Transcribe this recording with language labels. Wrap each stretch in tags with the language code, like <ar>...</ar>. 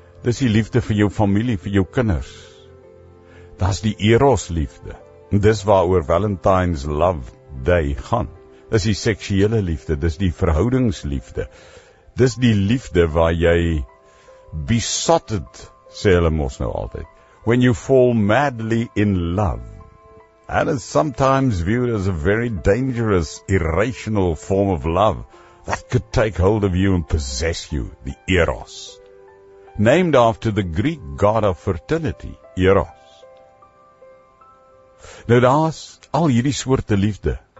<af>Dis die liefde vir jou familie, vir jou kinders. Daar's die eros liefde. Dis waaroor Valentine's Love Day gaan. Dis die seksuele liefde, dis die verhoudingsliefde. Dis die liefde waar jy besotted, sê hulle mos nou altyd.</af> <en>When you fall madly in love. And it's sometimes viewed as a very dangerous, irrational form of love that could take hold of you and possess you, the eros. Named after the Greek god of fertility, eros.</en> <af>Nou daar's al hierdie soorte liefde.</af>